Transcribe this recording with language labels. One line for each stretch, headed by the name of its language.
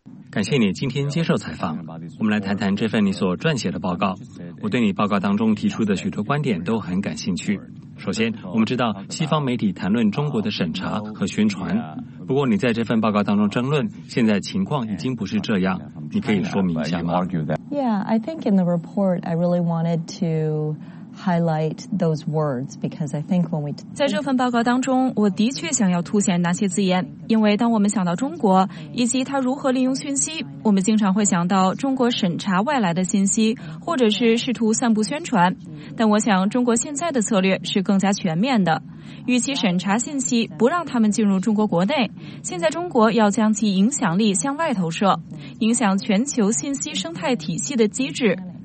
Chinese: 感谢你今天接受采访，我们来谈谈这份你所撰写的报告。我对你报告当中提出的许多观点都很感兴趣。首先，我们知道西方媒体谈论中国的审查和宣传，不过你在这份报告当中争论，现在情况已经不是这样，你可以说明一下吗？
English: Yeah, I think in the report I really wanted to highlight those words because I think when we
Chinese: 在这份报告当中，我的确想要凸显那些字眼，因为当我们想到中国以及它如何利用讯息，我们经常会想到中国审查外来的信息，或者是试图散布宣传。但我想，中国现在的策略是更加全面的。与其审查信息，不让他们进入中国国内，现在中国要将其影响力向外投射，影响全球信息生态体系的机制。